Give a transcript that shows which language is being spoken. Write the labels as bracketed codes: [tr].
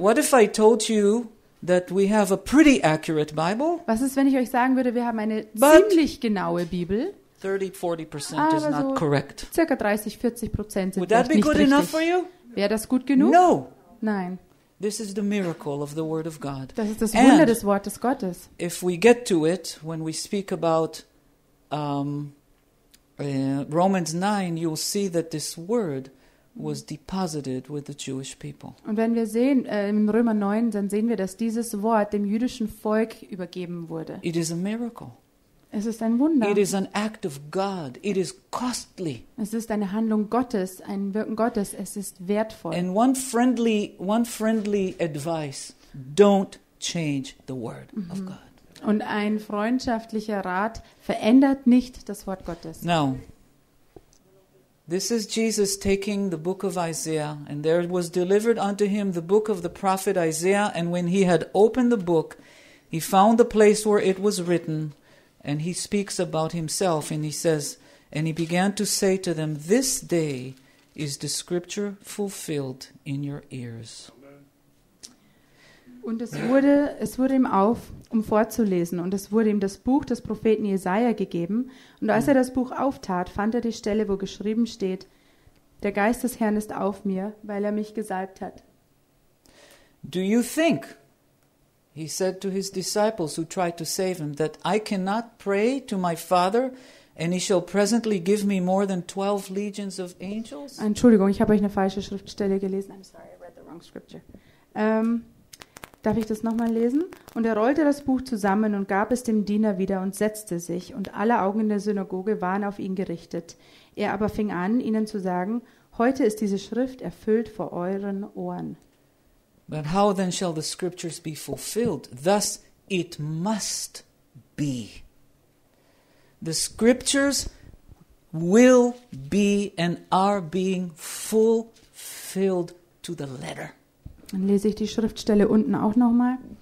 [en] What if I told you that we have a pretty accurate Bible? [de] Was ist, wenn ich euch sagen würde, wir haben eine ziemlich genaue Bibel? [en] 30-40% is not correct. [de] Circa 30-40% sind nicht richtig. [en] Would that be good enough for you? [de] Wäre das gut genug? [en] No. [de] Nein. [en] This is the miracle of the word of God. [de] Das ist das Wunder des Wortes Gottes. [en] If we get to it when we speak about Romans 9, you'll see that this word was deposited with the Jewish people. [de] Und wenn wir sehen in Römer 9, dann sehen wir, dass dieses Wort dem jüdischen Volk übergeben wurde. [en] It is a miracle. [de] Es ist ein Wunder. [en] It is an act of God. It is costly. [de] Es ist eine Handlung Gottes, ein Wirken Gottes. Es ist wertvoll. [en] And one friendly advice: don't change the word of God. [de] Und ein freundschaftlicher Rat: verändert nicht das Wort Gottes. [en] Now, this is Jesus taking the book of Isaiah, and there was delivered unto him the book of the prophet Isaiah. And when he had opened the book, he found the place where it was written. And he speaks about himself, and he says, and he began to say to them, this day is the scripture fulfilled in your ears. [de] Und es wurde ihm auf, um vorzulesen, und es wurde ihm das Buch des Propheten Jesaja gegeben. Und als er das Buch auftat, fand er die Stelle, wo geschrieben steht, der Geist des Herrn ist auf mir, weil er mich gesalbt hat. [en] Do you think He said to his disciples who tried to save him that I cannot pray to my Father and he shall presently give me more than 12 legions of angels. [de] Entschuldigung, ich habe euch eine falsche Schriftstelle gelesen. [en] I'm sorry, I read the wrong scripture. [de] Darf ich das nochmal lesen? Und er rollte das Buch zusammen und gab es dem Diener wieder und setzte sich, und alle Augen in der Synagoge waren auf ihn gerichtet. Er aber fing an, ihnen zu sagen, heute ist diese Schrift erfüllt vor euren Ohren. [en] But how then shall the scriptures be fulfilled? Thus it must be. The scriptures will be and are being fulfilled to the letter. [de] Dann lese ich die Schriftstelle unten auch nochmal.